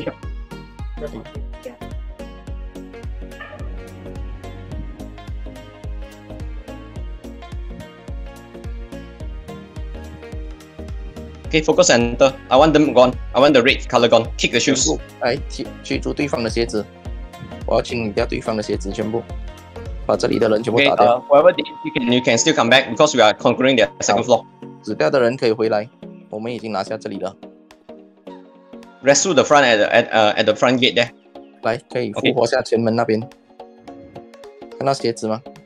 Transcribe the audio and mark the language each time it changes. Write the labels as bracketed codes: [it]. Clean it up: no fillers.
[en] Push up. Push up. Okay, focus center. I want them gone. I want the red color gone. Kick the shoes. [zh] 来，踢住对方的鞋子。我要清理掉对方的鞋子，全部把这里的人全部打掉。 [en] Okay, whoever did, you can still come back because we are conquering the second floor. [zh] 死掉的人可以回来，我们已经拿下这里了。 [en] Rest to the front at the front gate there. [zh] 来，可以复活下前门那边。看到鞋子吗？